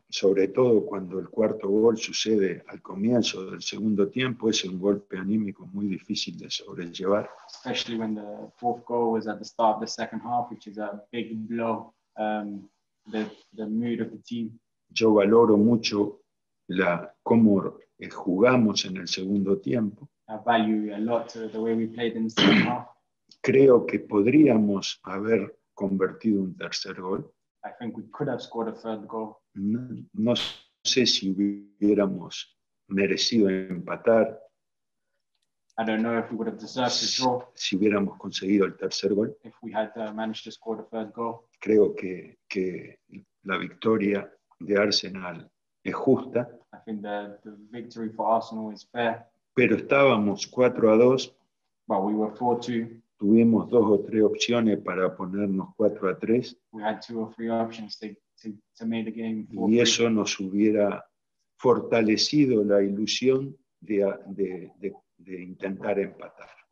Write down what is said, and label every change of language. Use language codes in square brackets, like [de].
[es] sobre todo cuando el cuarto gol sucede al comienzo del segundo tiempo, es un golpe anímico muy difícil de sobrellevar. [en] Especially when the fourth goal was at the start of the second half, which is a big blow, the mood of the team. [es] Yo valoro mucho cómo jugamos en el segundo tiempo. [en] I value a lot the way we played in the second half. [es] Creo que podríamos haber convertido un tercer gol. [en] I think we could have scored a third goal. [es] No sé si hubiéramos merecido empatar. [en] I don't know if we would have deserved to draw. [es] Si hubiéramos conseguido el tercer gol. [en] If we had managed to score the third goal. [es] Creo que la victoria de Arsenal es justa. [en] I think the victory for Arsenal is fair. [es] Pero estábamos 4-2. [en] But we were 4-2. [es] Tuvimos 2 o 3 opciones para ponernos 4-3. [en] We had 2 or 3 options to make the game 4-3. [es] Y eso nos hubiera fortalecido la ilusión de intentar empatar.